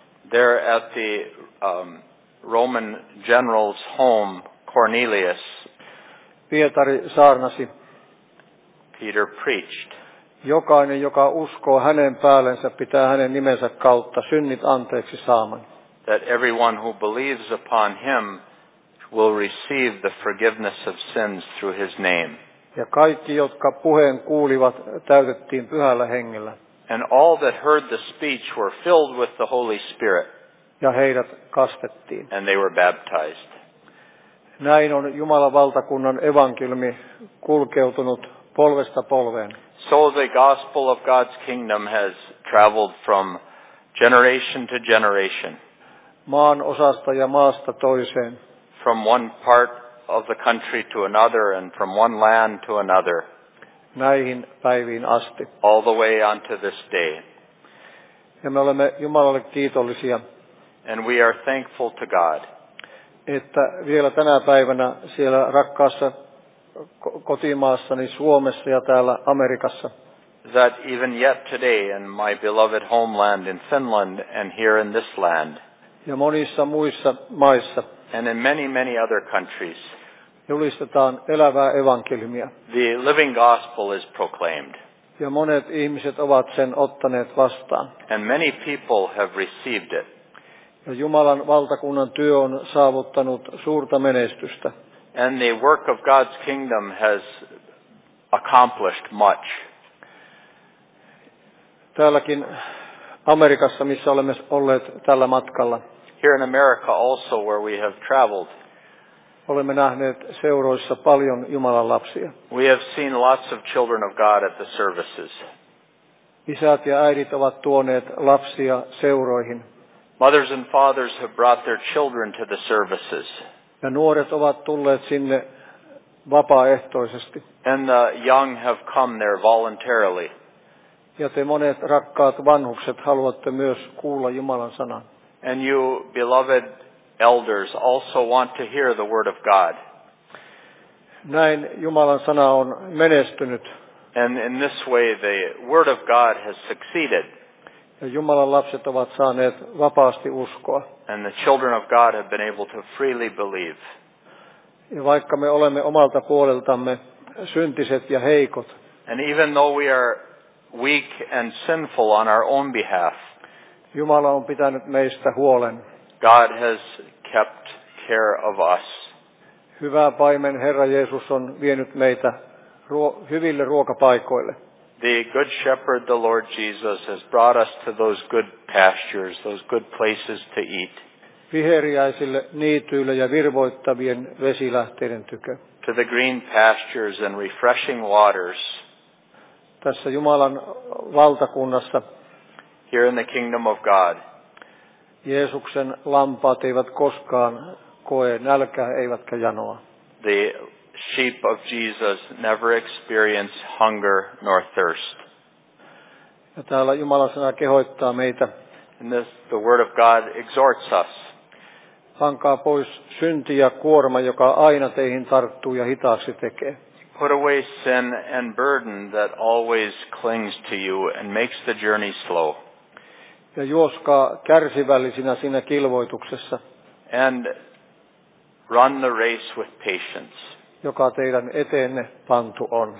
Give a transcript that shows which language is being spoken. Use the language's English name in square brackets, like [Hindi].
[English] There at the Roman general's home, Cornelius. [Finnish] Pietari saarnasi. [English] Peter preached. [Finnish] Jokainen, joka uskoo hänen päällensä, pitää hänen nimensä kautta synnit anteeksi saaman. [English] That everyone who believes upon him will receive the forgiveness of sins through his name. [Finnish] Ja kaikki, jotka puheen kuulivat, täytettiin pyhällä hengellä. [English] And all that heard the speech were filled with the Holy Spirit. [Finnish] Ja heidät kastettiin. [English] And they were baptized. [Finnish] Näin on Jumalan valtakunnan evankeliumi kulkeutunut polvesta polveen. [English] So the gospel of God's kingdom has traveled from generation to generation. [Finnish] Maan osasta ja maasta toiseen. [English] From one part of the country to another and from one land to another. [Finnish] Näihin päiviin asti. [English] All the way unto this day. [Finnish] Ja me olemme Jumalalle kiitollisia. [English] And we are thankful to God. [Finnish] että vielä tänä päivänä siellä rakkaassa kotimaassani Suomessa ja täällä Amerikassa. [English] That even yet today in my beloved homeland in Finland and here in this land. [Finnish] Ja monissa muissa maissa. [English] And in many, many other countries. [Finnish] Julistetaan elävää evankeliumia. [English] The living gospel is proclaimed. [Finnish] Ja monet ihmiset ovat sen ottaneet vastaan. [English] And many people have received it. [Finnish] Ja Jumalan valtakunnan työ on saavuttanut suurta menestystä. [English] And the work of God's kingdom has accomplished much. [Finnish] Täälläkin Amerikassa, missä olemme olleet tällä matkalla. [English] Here in America also, where we have traveled. [Finnish] Olemme nähneet seuroissa paljon Jumalan lapsia. [English] We have seen lots of children of God at the services. [Finnish] Isät ja äidit ovat tuoneet lapsia seuroihin. [English] Mothers and fathers have brought their children to the services. [Finnish] Ja nuoret ovat tulleet sinne vapaaehtoisesti. [English] And the young have come there voluntarily. [Finnish] Ja te monet rakkaat vanhukset haluatte myös kuulla Jumalan sanan. [English] And you beloved elders also want to hear the word of God. [Finnish] Näin Jumalan sana on menestynyt. [English] And in this way the word of God has succeeded. [Finnish] Ja Jumalan lapset ovat saaneet vapaasti uskoa. [English] And the children of God have been able to freely believe. [Finnish] Ja vaikka me olemme omalta puoleltamme syntiset ja heikot. [English] And even though we are weak and sinful on our own behalf. [Finnish] Jumala on pitänyt meistä huolen. [English] God has kept care of us. [Finnish] Hyvä paimen Herra Jeesus on vienyt meitä hyville ruokapaikoille. [English] The good shepherd, the Lord Jesus, has brought us to those good pastures, those good places to eat. [Finnish] Viheriäisille niityille ja virvoittavien vesilähteiden tykö. [English] To the green pastures and refreshing waters. [Finnish] Tässä Jumalan valtakunnassa. [English] Here in the kingdom of God. [Finnish] Jeesuksen lampaat eivät koskaan koe nälkää eivätkä janoa. [English] The sheep of Jesus never experience hunger nor thirst. [Finnish] Ja täällä Jumalan sana kehoittaa meitä. [English] And this, the word of God exhorts us. [Finnish] Pankaa pois synti ja kuorma, joka aina teihin tarttuu ja hitaaksi tekee. [English] Put away sin and burden that always clings to you and makes the journey slow. [Finnish] Ja juoskaa kärsivällisinä siinä kilvoituksessa. [English] And run the race with patience. [Finnish] Joka teidän eteenne pantu on.